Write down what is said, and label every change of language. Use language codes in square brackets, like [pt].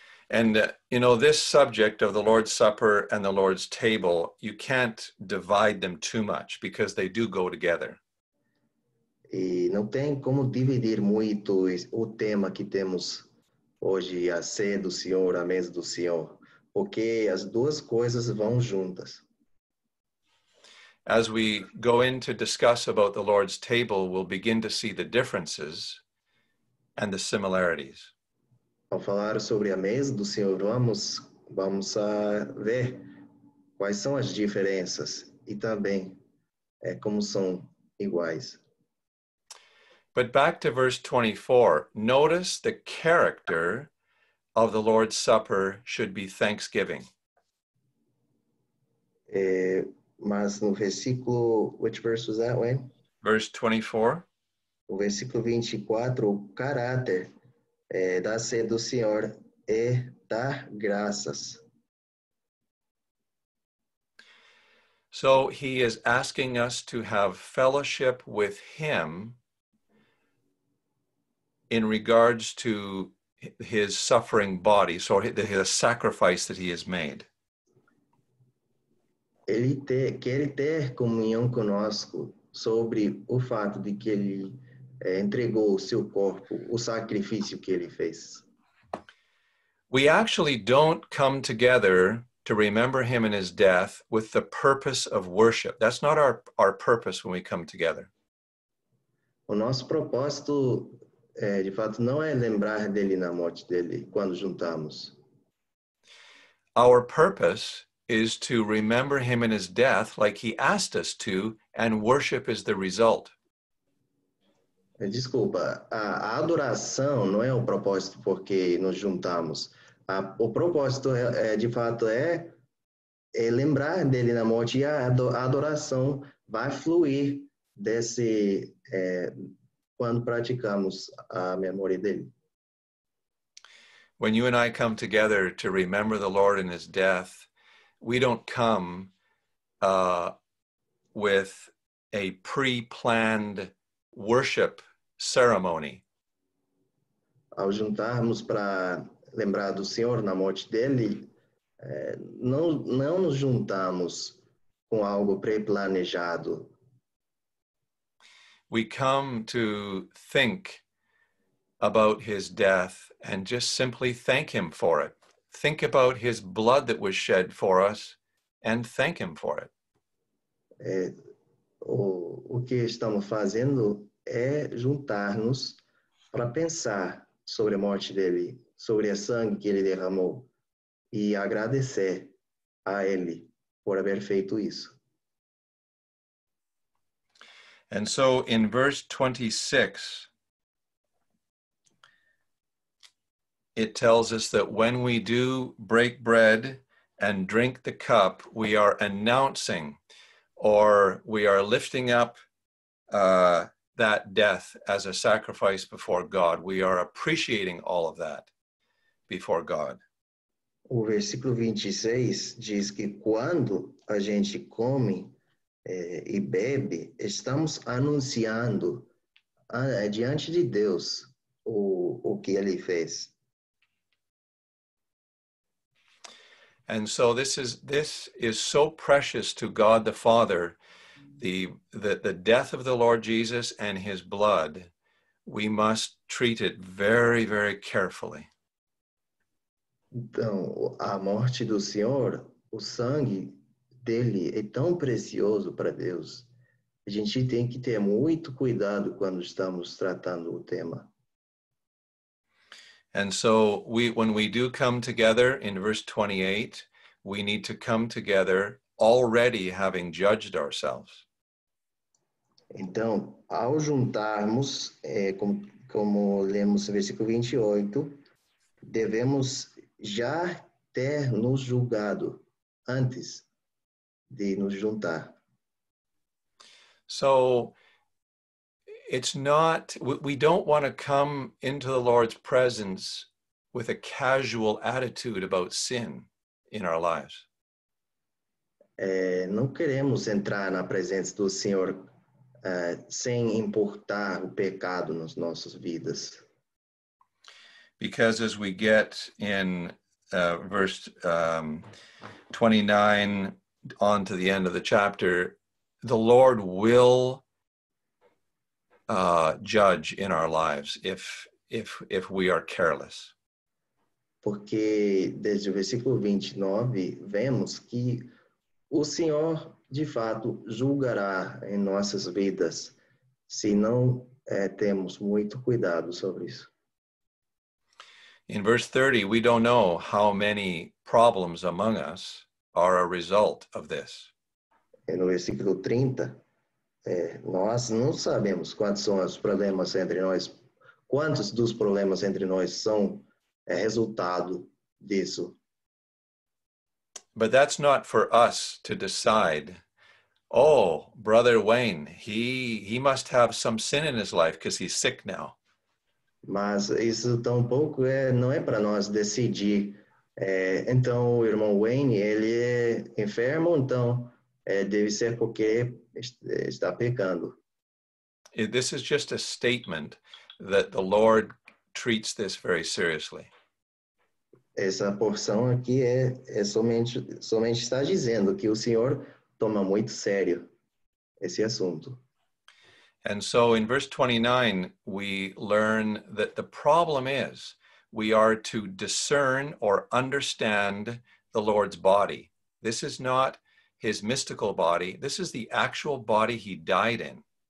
[en] And you know, this subject of the Lord's Supper and the Lord's table, you can't divide them too much because they do go together. [pt] E não tem como dividir muito o tema que temos hoje, a ceia do Senhor, a mesa do Senhor, porque as duas coisas vão juntas. [en] As we go in to discuss about the Lord's table, we'll begin to see the differences and the similarities. [pt] Ao falar sobre a mesa do Senhor, vamos a ver quais são as diferenças e também como são iguais. [en] But back to verse 24, notice the character of the Lord's Supper should be thanksgiving. [pt] Mas no versículo, [en] which verse was that, Wayne? Verse 24. [pt] O versículo 24, o caráter da ceia do Senhor é dar graças. [en] So he is asking us to have fellowship with him in regards to his suffering body, so the sacrifice that he has made. [pt] Ele quer ter comunhão conosco sobre o fato de que ele entregou o seu corpo, o sacrifício que ele fez. [en] We actually don't come together to remember him in his death with the purpose of worship. That's not our purpose when we come together. [pt] O nosso propósito, de fato, não é lembrar dele na morte dele quando juntamos. [en] Our purpose is to remember him in his death like he asked us to, and worship is the result. [pt] Desculpa, a adoração não é o propósito porque nos juntamos. O propósito, de fato, é lembrar dele na morte, e a adoração vai fluir desse, quando praticamos a memória dele. [en] When you and I come together to remember the Lord in his death, we don't come with a pre-planned worship ceremony. [pt] Ao juntarmos para lembrar do Senhor na morte dele, não nos juntamos com algo pré-planejado. [en] We come to think about his death and just simply thank him for it. Think about his blood that was shed for us and thank him for it. [pt] O que estamos fazendo é juntar-nos para pensar sobre a morte dele, sobre o sangue que ele derramou, e agradecer a ele por haver feito isso. [en] And so in verse 26, it tells us that when we do break bread and drink the cup, we are announcing or we are lifting up that death as a sacrifice before God. We are appreciating all of that before God. [pt] O versículo 26 diz que quando a gente come e bebe, estamos anunciando diante de Deus o que ele fez. [en] And so this is so precious to God the Father, the death of the Lord Jesus and his blood, we must treat it very, very carefully. [pt] Então, a morte do Senhor, o sangue dele é tão precioso para Deus. A gente tem que ter muito cuidado quando estamos tratando o tema. [en] And so when we do come together in verse 28, we need to come together already having judged ourselves. [pt] Então, ao juntarmos, como lemos no versículo 28, devemos já ter nos julgado antes de nos juntar. [en] So, it's not, we don't want to come into the Lord's presence with a casual attitude about sin in our lives. [pt] Não queremos entrar na presença do Senhor sem importar o pecado nas nossas vidas. [en] Because as we get in verse 29 on to the end of the chapter, the Lord will judge in our lives if we are careless. [pt] Porque desde o versículo 29 vemos que o Senhor de fato julgará em nossas vidas se não temos muito cuidado sobre isso. [en] In verse 30, we don't know how many problems among us are a result of this. [pt] No versículo 30, nós não sabemos quantos são os problemas entre nós, quantos dos problemas entre nós são resultado disso. [en] But that's not for us to decide. Oh, Brother Wayne, he must have some sin in his life because he's sick now. [pt] Mas isso tampouco não é para nós decidir. Então, o irmão Wayne, ele é enfermo, então deve ser porque está pecando. [en] This is just a statement that the Lord treats this very seriously. [pt] Essa porção aqui somente está dizendo que o Senhor toma muito sério esse assunto. [en] And so in verse 29, we learn that the problem is we are to discern or understand the Lord's body. This is not his mystical body. This is the actual body he died in.